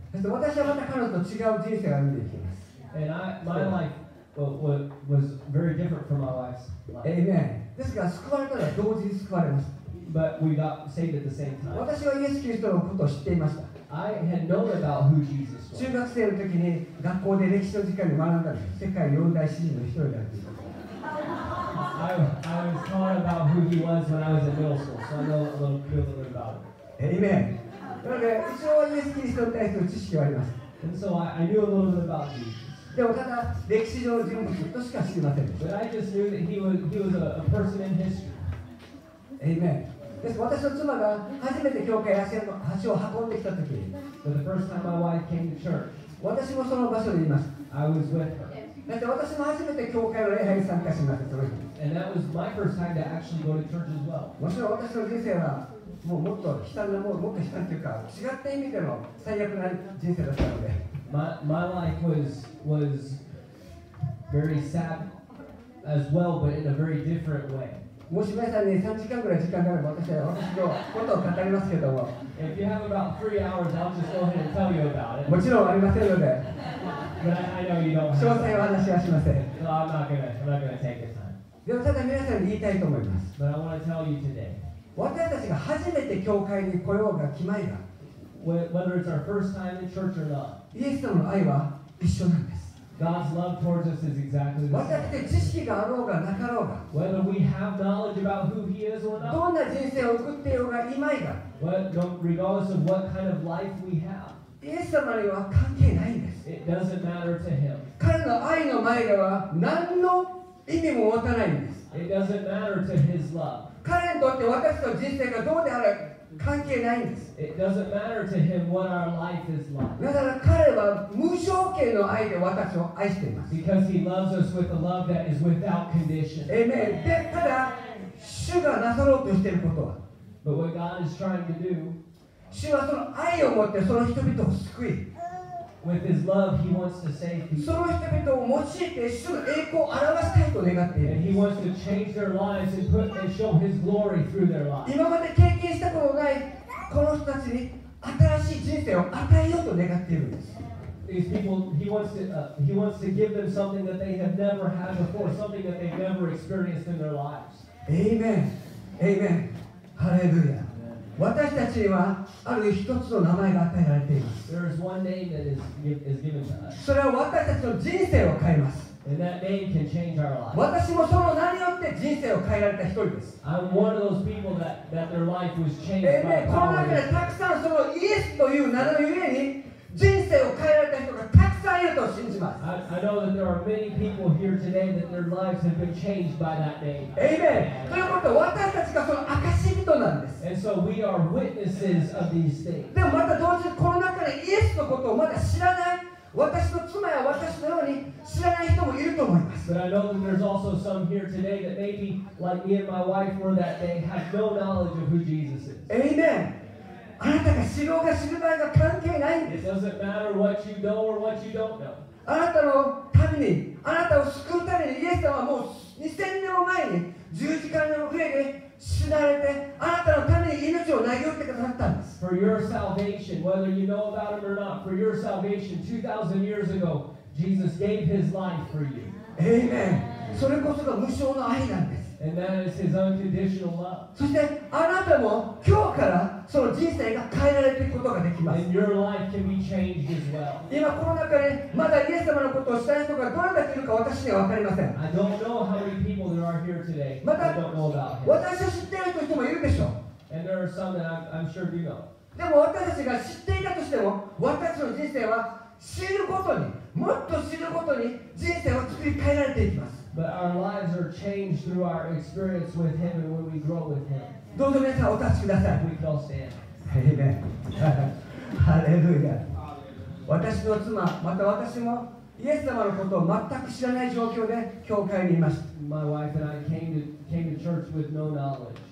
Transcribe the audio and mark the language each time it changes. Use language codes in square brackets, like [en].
[ja] そして私はまた彼女と違う人生を歩んでいきます。 [en] And my life was very different from my wife's life. Amen. [ja] ですから救われたら同時に救われました。 [en] But we got saved at the same time. [ja] 私はイエス・キリストのことを知っていました。 [en] I had known about who Jesus was. [ja] 中学生の時に学校で歴史の時間に学んだんです。世界四大詩人の一人だって。 [en] I was taught about who he was when I was in middle school, so I know a little bit about him. Amen. [ja] なので、一応イエス・キリストに対する知識はあります。 [en] And so I knew a little bit about Jesus. [ja] でもただ、歴史上の人物としか知りません。 [en] But I just knew that he was a person in history. Amen. [ja] です私の妻が初めて教会足を運んできたとき、 [en] so、the first time my wife came to church, [ja] 私もその場所にいました。 [en] I was with her. [ja] だって私も初めて教会の礼拝に参加しました。 [en] And that was my first time to actually go to church as well. [ja] もちろん私の人生はもうもっと悲惨な、もっと悲惨というか、違った意味での最悪な人生だったので。 [en] My life was very sad as well, but in a very different way. [ja] もし皆さんに3時間ぐらい時間があれば私は私のことを語りますけども [en] If you have about 3 hours, I'll just go ahead and tell you about it. [ja] もちろんありませんので [en] But I know you don't [ja] have 詳細は話しはしません [en] So I'm not gonna take the time. [ja] でもただ皆さんに言いたいと思います [en] But I want to tell you today. [ja] 私たちが初めて教会に来ようが来まいが [en] Whether it's our first time in church or not. [ja] イエス様の愛は一緒なんです [en] God's love towards us is exactly the same. [ja] 私たち知識があろうがなかろうが [en] Whether we have knowledge about who he is or not [ja] どんな人生を送っていようがいまいが [en] But regardless of what kind of life we have [ja] イエス様には関係ないんです [en] It doesn't matter to him [ja] 彼の愛の前では何の意味も持たないんです [en] It doesn't matter to his love [ja] 彼にとって私の人生がどうであれ関係ないんです。 [en] It doesn't matter to him what our life is like. [ja] だから彼は無条件の愛で私を愛しています。 [en] Because he loves us with a love that is without condition. Amen. [ja] で、ただ主がなさろうとしていることは、 [en] But what God is trying to do, [ja] 主はその愛を持ってその人々を救い、 [en] With his love, he wants to save people. [ja] その人々を用いて主の栄光を表したいと願っている。 [en] And he wants to change their lives and put and show his glory through their lives. [ja] 今まで経験したことのないこの人たちに新しい人生を与えようと願っているんです。 [en] These people, he wants to give them something that they have never had before, something that they've never experienced in their lives. Amen. Amen. Hallelujah. [ja] 私たちにはある一つの名前が与えられています。 [en] There is one name that is given to us. [ja] それは私たちの人生を変えます。 [en] And that name can change our life. [ja] 私もその名によって人生を変えられた一人です。 [en] I'm one of those people that their life was changed by power. [ja] この中でたくさんそのイエスという名のゆえに人生を変えられた人がたくさんいると信じます。 [en] I know that there are many people here today that their lives have been changed by that name. Amen. [ja] ということは私たちがその証しなんです。 [en] And so we are witnesses of these things. [ja] でもまた同時にこの中でイエスのことをまだ知らない私の妻や私のように知らない人もいると思います。 [en] But I know that there's also some here today that maybe like me and my wife were that day have no knowledge of who Jesus is. Amen. [ja] あなたが知ろうが知る場合が関係ないんです [en] 。It doesn't matter what you know or what you don't know. [ja] あなたのために、あなたを救うためにイエス様はもう2000年も前に十字架の上で死なれて、あなたのために命を投げ打ってくださったんです。 [en] For your salvation, whether you know about him or not, for your salvation, 2000 years ago, Jesus gave his life for you. Amen. [ja] それこそが無償の愛なんです。 [en] And that is his unconditional love. [ja] そしてあなたも今日からその人生が変えられていくことができます。 [en] And your life can be changed as well. [ja] 今この中でまだイエス様のことをしたい人がどれだけいるか私には分かりません。 [en] I don't know how many people there are here today. I don't know about him. [ja] 私を知っている人もいるでしょう。 [en] And there are some that I'm sure you know. [ja] でも私たちが知っていたとしても私の人生は知ることにもっと知ることに人生を作り変えられていきます。 [en] But our lives are changed through our experience with Him and when we grow with Him. [ja] どうぞ皆さんお立ちください。 [en] We can all stand. Amen. Hallelujah. [ja] 私の妻、また私もイエス様のことを全く知らない状況で教会にいました。 [en] My wife and I came to church with no knowledge.